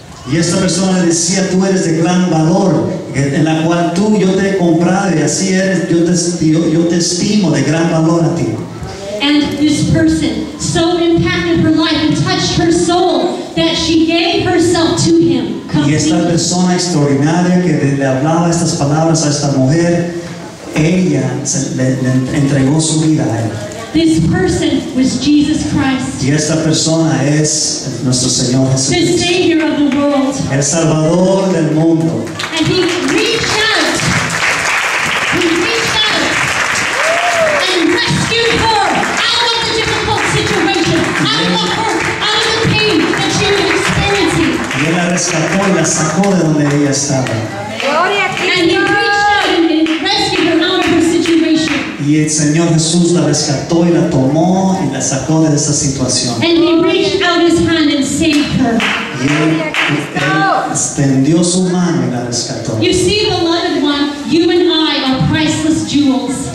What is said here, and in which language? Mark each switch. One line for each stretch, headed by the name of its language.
Spanish: Y esta persona le decía, tú eres de gran valor, en la cual tú, yo te he comprado, y así eres, yo te estimo de gran valor a ti.
English: And this person so impacted her life and touched her soul that she gave herself to him completely.
Spanish: Y esta persona extraordinaria que le hablaba estas palabras a esta mujer, ella le entregó su vida a él.
English: This person was Jesus Christ.
Spanish: Y esta persona es nuestro Señor Jesucristo.
English: The Savior of the world.
Spanish: El Salvador del mundo.
English: And he reached out. He reached out and rescued her out of the difficult situation, out of the pain that she was experiencing.
Spanish: Y él la rescató y la sacó de donde ella estaba. Gloria a Cristo.
English: And he reached out and rescued her out of her situation.
Spanish: Y Y el Señor Jesús la rescató y la tomó y la sacó de esa situación.
English: And he reached out his hand and saved her.
Spanish: Y él extendió su mano y la rescató.
English: You see, beloved one, you and I are priceless jewels.